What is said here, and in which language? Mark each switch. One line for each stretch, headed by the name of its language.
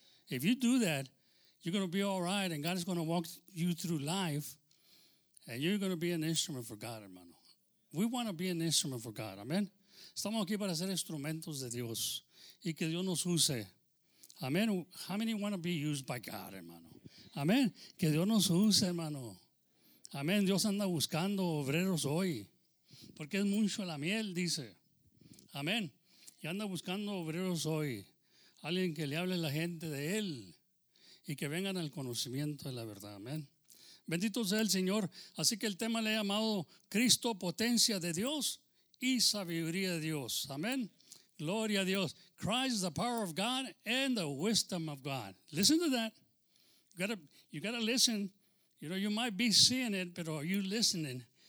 English: If you do that, you're going to be all right. And God is going to walk you through life. And you're going to be an instrument for God, hermano. We want to be an instrument for God. Amen.
Spanish: Estamos aquí para ser instrumentos de Dios y que Dios nos use.
English: Amen. How many want to be used by God, hermano?
Spanish: Amen. Que Dios nos use, hermano. Amen. Dios anda buscando obreros hoy porque es mucho la miel, dice. Amen. Y anda buscando obreros hoy. Alguien que le hable a la gente de él y que vengan al conocimiento de la verdad. Amen. Bendito sea el Señor. Así que el tema le he llamado Cristo, potencia de Dios y sabiduría de Dios. Amén. Gloria a Dios.
English: Christ, the power of God and the wisdom of God. Listen to that. You gotta listen. You know, you might be seeing it, but are you listening?